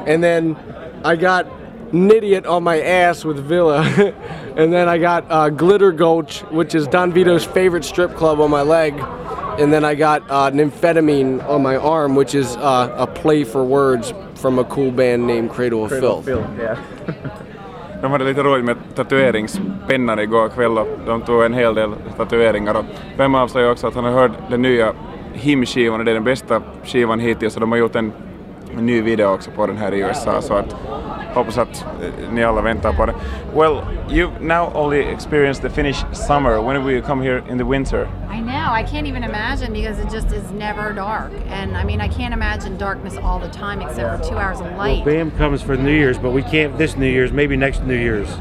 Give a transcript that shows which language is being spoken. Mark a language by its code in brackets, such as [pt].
[en] And then I got Nidiot on my ass with Villa. And then I got Glitter Gulch, which is Don Vito's favorite strip club, on my leg. And then I got Nymphetamine on my arm, which is a play for words from a cool band named Cradle of Filth. [sv] De hade lite roligt med tatueringspennar igår kväll. De tog en hel del tatueringar. Vem avslöjde också att han har hört den nya Him-skivan, och det är den bästa skivan hittills. De har gjort en ny video också på den här i USA. Så att hoppas att ni alla väntar på det. [en] Well, you've now only experienced the Finnish summer. When will you come here in the winter? I know. I can't even imagine because it just is never dark. And I mean, I can't imagine darkness all the time except for 2 hours of light. Well, Bam comes for New Year's, but we can't this New Year's. Maybe next New Year's.